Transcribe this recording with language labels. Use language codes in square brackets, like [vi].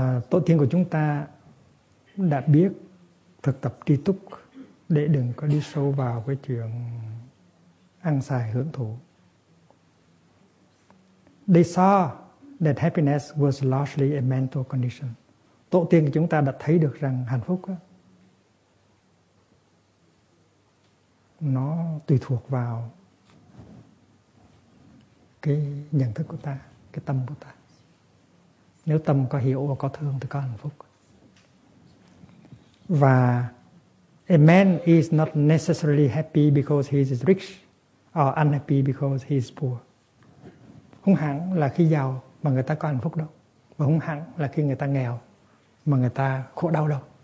[vi] Tổ tiên của chúng ta đã biết thực tập tri túc để đừng có đi sâu vào cái chuyện ăn xài hưởng thụ. [en] They saw that happiness was largely a mental condition. [vi] Tổ tiên của chúng ta đã thấy được rằng hạnh phúc đó, nó tùy thuộc vào cái nhận thức của ta, cái tâm của ta. Nếu tâm có hiểu và có thương thì có hạnh phúc. Và [en] a man is not necessarily happy because he is rich or unhappy because he is poor. [vi] Không hẳn là khi giàu mà người ta có hạnh phúc đâu. Và không hẳn là khi người ta nghèo mà người ta khổ đau đâu.